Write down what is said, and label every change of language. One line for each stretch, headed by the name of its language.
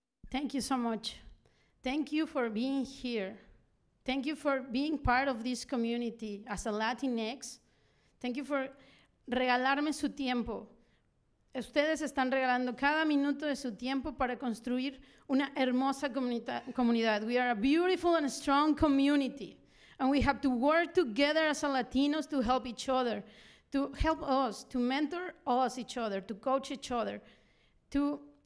English: Thank you so much. Thank you for being here. Thank you for being part of this community as a Latinx. Thank you for
Spanish: regalarme su tiempo. Ustedes están regalando cada minuto de su tiempo para construir una hermosa comunidad.
English: We are a beautiful and strong community, and we have to work together as a Latinos to help each other, to help us, to mentor us each other, to coach each other, to